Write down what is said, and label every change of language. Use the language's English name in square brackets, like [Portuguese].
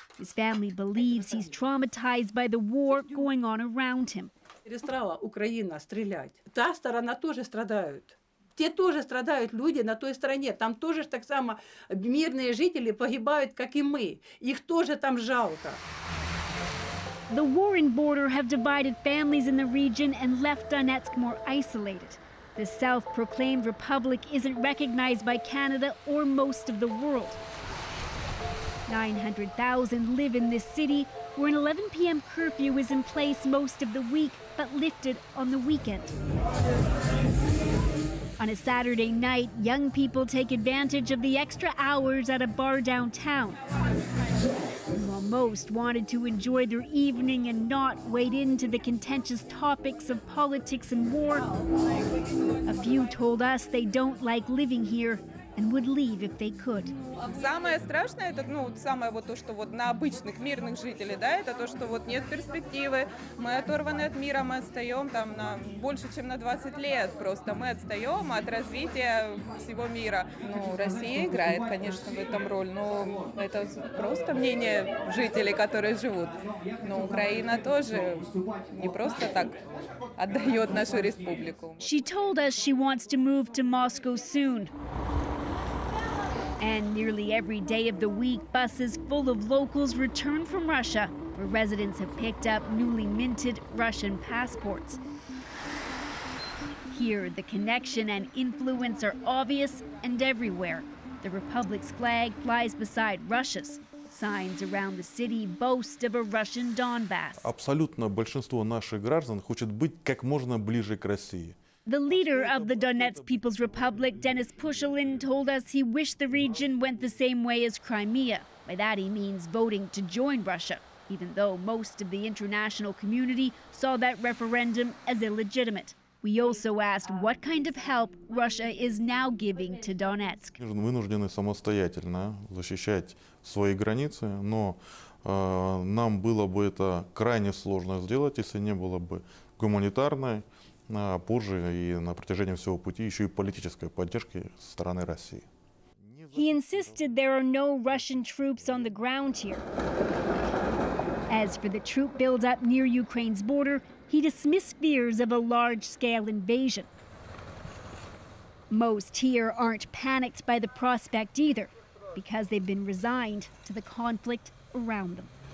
[English] His family believes he's traumatized by the war going on around him. [Russian] Перестала Украина стрелять. Та сторона тоже страдают. Те тоже страдают люди на той стороне. Там тоже так само мирные жители погибают, как и мы. Их тоже там жалко. [English] The war and border have divided families in the region and left Donetsk more isolated. The self-proclaimed republic isn't recognized by Canada or most of the world. 900,000 live in this city, where an 11 p.m. curfew is in place most of the week, but lifted on the weekend. On a Saturday night, young people take advantage of the extra hours at a bar downtown. While most wanted to enjoy their evening and not wade into the contentious topics of politics and war, a few told us they don't like living here and would leave if they could. [Russian] Самое страшное это, ну, самое вот то, что вот на обычных мирных жителей, да, это то, что вот нет перспективы. Мы оторваны от мира, мы отстаём там на больше, чем на 20 лет. Просто мы отстаём от развития всего мира. Ну, Россия играет, конечно, в этом роль, но это просто мнение жителей, которые живут. Но Украина тоже не просто так отдаёт нашу республику. [English] She told us she wants to move to Moscow soon. And nearly every day of the week, buses full of locals return from Russia, where residents have picked up newly minted Russian passports. Here, the connection and influence are obvious and everywhere. The Republic's flag flies beside Russia's. Signs around the city boast of a Russian Donbass. [Russian] Абсолютно большинство наших граждан хочет быть как можно ближе к России. [English] The leader of the Donetsk People's Republic, Denis Pushilin, told us he wished the region went the same way as Crimea. By that he means voting to join Russia, even though most of the international community saw that referendum as illegitimate. We also asked what kind of help Russia is now giving to Donetsk. [Russian] Мы вынуждены самостоятельно защищать свои границы, но нам было бы это крайне сложно сделать, если не было бы гуманитарной. Позже и на протяжении всего пути еще и политической поддержки со стороны России. [English] He insisted there are no Russian troops on the ground here. As for the troop buildup near Ukraine's border, he dismissed fears of a large-scale invasion. Most here aren't panicked by the prospect either, because they've been resigned to the conflict around them.